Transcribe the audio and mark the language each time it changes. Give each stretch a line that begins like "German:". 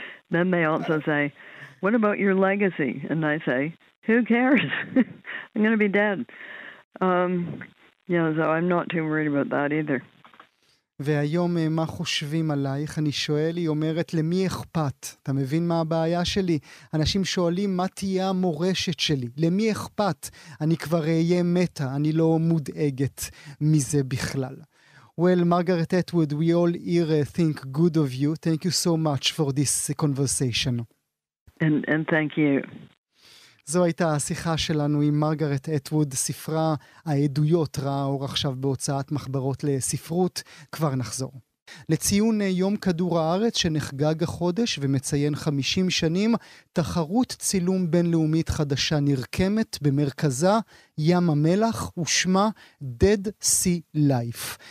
English: Then they also say, what about your legacy? And I say, who cares? I'm going to be dead. So I'm not too worried about that either.
Hebrew: והיום מה חושבים עלייך? אני שואל, היא אומרת, למי אכפת? אתה מבין מה הבעיה שלי? אנשים שואלים, מה תהיה המורשת שלי? למי אכפת? אני כבר אהיה מתה, אני לא מודאגת מזה בכלל.
English: Well, Margaret Atwood, we all here think good of you. Thank you so much for this conversation. And thank you.
Hebrew: זו הייתה השיחה שלנו עם מרגרט אטווד, ספרה העדויות ראה אור עכשיו בהוצאת מחברות לספרות, כבר נחזור. לציון יום כדור הארץ שנחגג החודש ומציין 50 שנים, תחרות צילום בינלאומית חדשה נרקמת במרכזה ים המלח ושמה Dead Sea Life.